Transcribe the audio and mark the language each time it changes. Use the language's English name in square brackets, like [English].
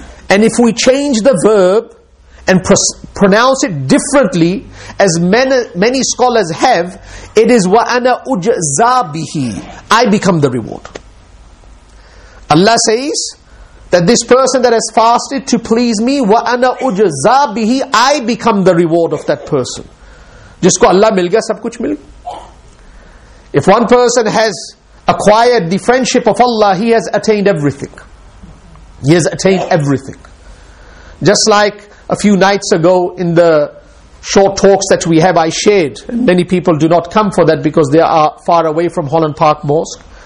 [English] And if we change the verb and pronounce it differently, as many scholars have, it is [Arabic] وَأَنَا أُجْزَى بِهِ, [English] I become the reward. Allah says that this person that has fasted to please me, [Arabic] وَأَنَا أُجْزَى بِهِ, [English] I become the reward of that person. [Urdu] جسکو اللہ مل گیا سب کچھ مل گیا. [English] If one person has acquired the friendship of Allah, he has attained everything. He has attained everything. Just like a few nights ago in the short talks that we have, I shared, and many people do not come for that because they are far away from Holland Park Mosque.